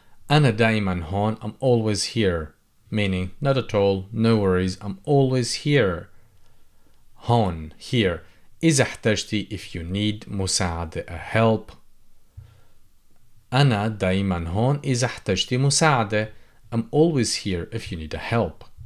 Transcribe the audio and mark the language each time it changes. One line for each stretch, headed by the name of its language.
Arabic: أنا دائما هون,
English: I'm always here, meaning not at all, no worries, I'm always here.
Arabic: هون,
English: here.
Arabic: إذا احتجتي,
English: if you need
Arabic: مساعدة,
English: a help.
Arabic: أنا دائما هون إذا احتجتي مساعدة.
English: I'm always here if you need a help.